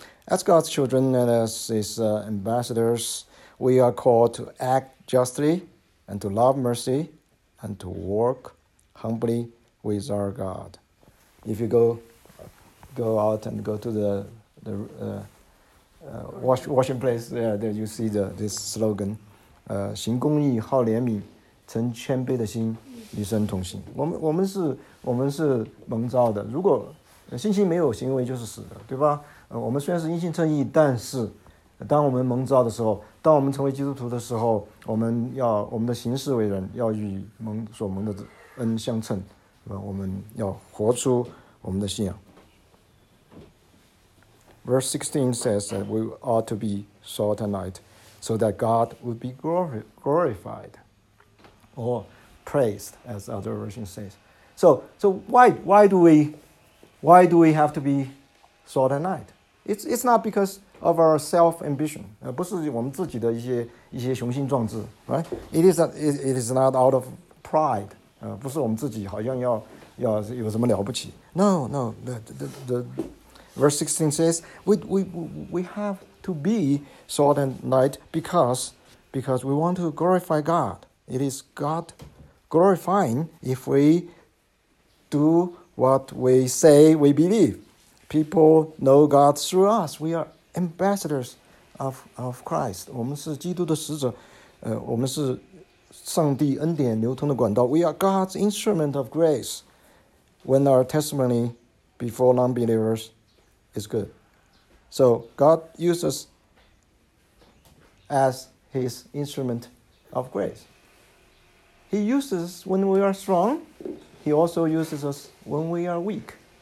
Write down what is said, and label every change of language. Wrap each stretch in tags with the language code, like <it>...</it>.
<en>As God's children and as his ambassadors, we are called to act justly and to love mercy and to work humbly with our God. If you go out and go to the washing place, there you see this slogan,</en> <zh>行公义，好怜悯，存谦卑的心, 与神同行。我们是蒙召的。如果信心没有行为，就是死的，对吧？我们虽然是因信称义，但是当我们蒙召的时候，当我们成为基督徒的时候，我们的行事为人要与所蒙的恩相称，我们要活出我们的信仰。</zh> <en>Verse 16 says that we ought to be salt and light, so that God would be glorified, or praised, as other versions say. So why do we have to be salt and light? It's not because of our self ambition,</en> <zh>不是我们自己的一些雄心壮志</zh> <en>，right? It is not out of pride,</en> <zh>不是我们自己好像要有什么了不起。</zh> <en>No, the verse 16 says we have to be salt and light because we want to glorify God. It is God glorifying if we do what we say we believe. People know God through us. We are ambassadors of Christ.</en> <zh>我们是基督的使者，我们是上帝恩典流通的管道。</zh> <en>We are God's instrument of grace. When our testimony before non-believers is good. So God uses us as his instrument of grace. He uses us when we are strong. He also uses us when we are weak.</en>